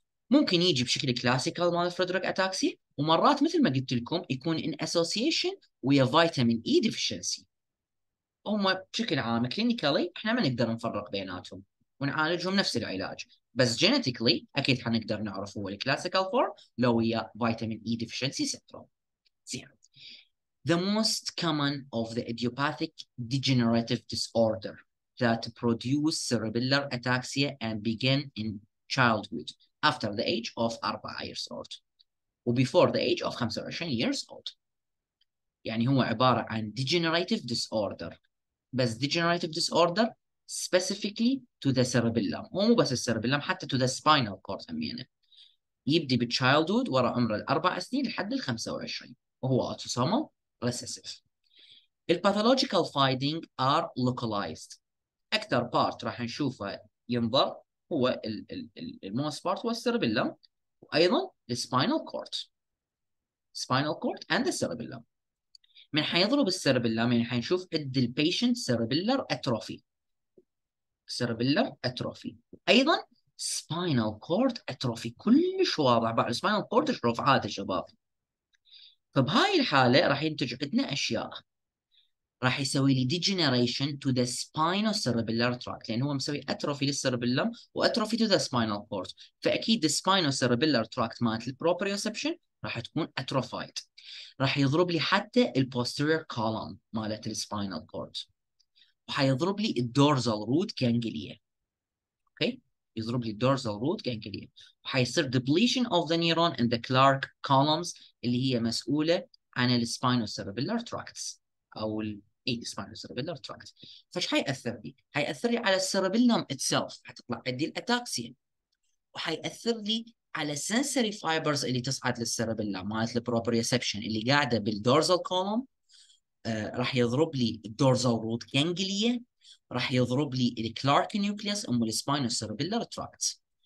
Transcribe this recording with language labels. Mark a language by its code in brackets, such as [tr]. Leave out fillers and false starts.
[ar] ممكن يجي بشكل كلاسيكال مال فريدريك اتاكسيا، ومرات مثل ما قلت لكم يكون ان اسوسيشن ويا فيتامين اي ديفيشنسي. هم بشكل عام كلينيكالي احنا ما نقدر نفرق بيناتهم ونعالجهم نفس العلاج، بس جينيتيكلي اكيد حنقدر نعرف هو الكلاسيكال فورم لو ويا فيتامين اي ديفيشنسي سيندروم. زين. [en] The most common of the idiopathic degenerative disorder that produce cerebellar ataxia and begin in childhood after the age of 4 years old وبيفور the age of 25 years old. [ar] يعني هو عباره عن [en] degenerative disorder، بس degenerative disorder specifically to the cerebellum، [ar] هو مو بس السيربيلم حتى [en] to the spinal cord [ar] همينه. يبدي بالchildhood ورا عمر الاربع سنين لحد ال 25 وهو autosomal recessive. الباثولوجيكال فايندينج ار localized، اكثر بارت راح نشوفه ينظر هو الموست بارت هو السيربيلم، وايضا السباينال كورد، سباينال كورد اند ذا سيربيلم. من حيضرب السيربيلم يعني حنشوف قد البيشنت سيربيلر اتروفي، سيربيلر اتروفي، ايضا سباينال كورد اتروفي كلش واضح بعد السباينال كورد رفعات الشباب. فبهاي الحاله راح ينتج عندنا اشياء، راح يسوي لي [en] degeneration to the spinocerebellar tract، [ar] لأن هو مسوي atrophy للcerebellum و [en] atrophy to the spinal cord، [ar] فأكيد the spinocerebellar tract مالت proprioception راح تكون atrophied. راح يضرب لي حتى posterior column مالت spinal cord، وحيضرب لي dorsal root ganglia. [en] Okay؟ [ar] يضرب لي [en] dorsal root ganglia، وحيصير depletion of the neuron in the Clark columns [ar] اللي هي مسؤولة عن [en] spinocerebellar tracts. [ar] او الاي سباينال سيربيلر تراكت. فايش حيأثر لي؟ حيأثر لي على السيربيلم اتسلف، حتطلع عندي الاتاكسيا، وحيأثر لي على السنسري فايبرز اللي تصعد للسيربيلم مالت البروبريسبشن اللي قاعده بالدورزال كولوم. راح يضرب لي الدورزال روت جانجليا، راح يضرب لي الكلارك نيوكليوس ام السباينال سيربيلر تراكت.